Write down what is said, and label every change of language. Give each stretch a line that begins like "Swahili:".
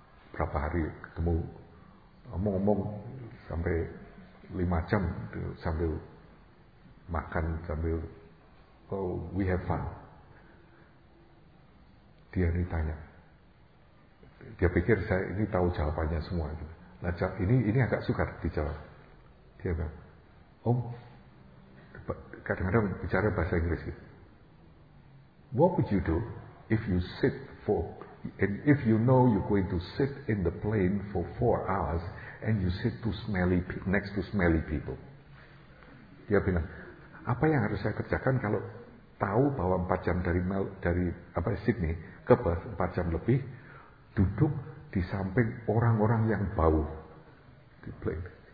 Indonesian: Berapa hari ketemu, ngomong-ngomong sampai 5 jam sambil makan, sambil
English: we have fun.
Indonesian: Dia ini tanya, dia pikir saya ini tahu jawabannya semua. Nah, ini agak sukar dijawab. Dia bilang, om, kadang-kadang bicara bahasa Inggris gitu.
English: What would you do if you sit for, and if you know you're going to sit in the plane for 4 hours and you sit to smelly next to smelly people?
Indonesian: Dia bilang, apa yang harus saya kerjakan kalau tahu bahwa 4 jam dari Sydney ke Perth, 4 jam lebih, duduk di samping orang-orang yang bau di plane.